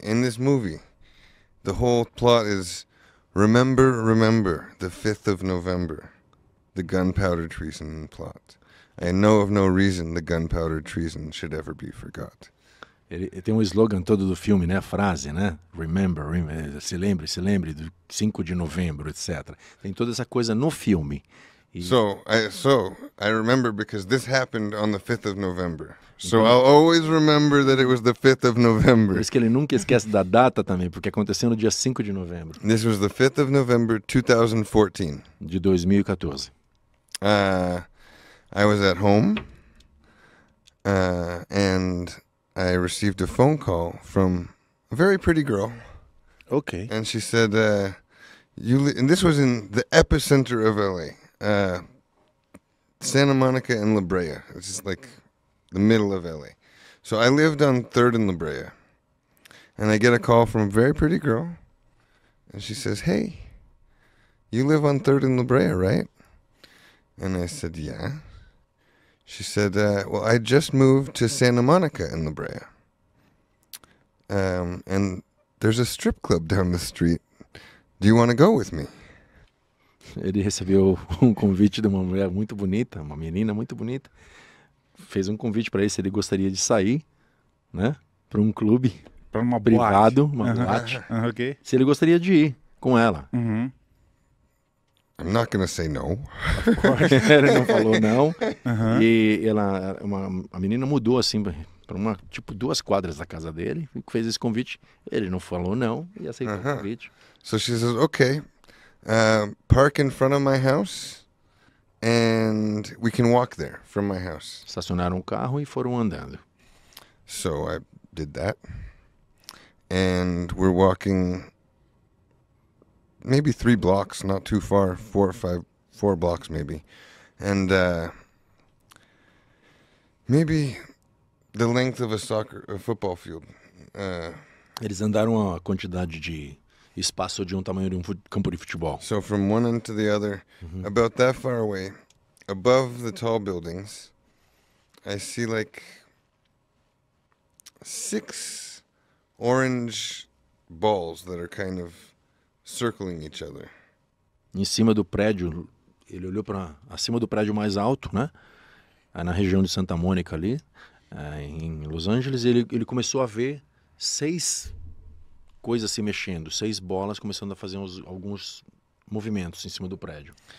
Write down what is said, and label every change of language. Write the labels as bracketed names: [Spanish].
[English] In this movie, the whole plot is remember, remember, the 5th of November, the gunpowder treason plot. I know of no reason the gunpowder treason should ever be forgot. [Portuguese] Ele tem um slogan todo do filme, né? A frase, né? [English] Remember, [Portuguese] se lembre, do 5 de novembro, etc. Tem toda essa coisa no filme. [English] So I remember because this happened on the 5th of November. So então, I'll always remember that it was the 5th of November. [Portuguese] Por isso que ele nunca esquece da data também, porque aconteceu no dia 5 de novembro. [English] This was the 5th of November, 2014. [Portuguese] De 2014. [English] I was at home, and I received a phone call from a very pretty girl. Okay. And she said, and this was in the epicenter of LA, Santa Monica and La Brea. It's just like the middle of LA. So I lived on 3rd and La Brea, and I get a call from a very pretty girl, and she says, hey, you live on 3rd and La Brea, right? And I said, yeah. She said, well, I just moved to Santa Monica in La Brea. And there's a strip club down the street. Do you want to go with me? [Portuguese] Ele recebeu um convite de uma mulher muito bonita, uma menina muito bonita. Fez um convite para ele se ele gostaria de sair, né? Para um clube. Para uma privado, boate. Uma boate. Ok. Se ele gostaria de ir com ela. Uhum. [English] I'm not going to say no. [Portuguese] Ele não falou não. Uh-huh. E ela, a menina mudou assim para uma tipo duas quadras da casa dele e fez esse convite. Ele não falou não e aceitou uh-huh. o convite. [English] So she says, okay, park in front of my house and we can walk there from my house. [Portuguese] Estacionaram o carro e foram andando. [English] So I did that. And we're walking maybe 3 blocks, not too far, 4 blocks maybe. And maybe the length of a football field. [Portuguese] Eles andaram a quantidade de espaço de um tamanho de um campo de futebol. [English] So from one end to the other, mm-hmm. about that far away, above the tall buildings, I see like 6 orange balls that are kind of circling each other. [Portuguese] Em cima do prédio, ele olhou para acima do prédio mais alto, né? Na região de Santa Mônica ali, em Los Angeles, ele começou a ver 6 coisas se mexendo, 6 bolas começando a fazer alguns movimentos em cima do prédio.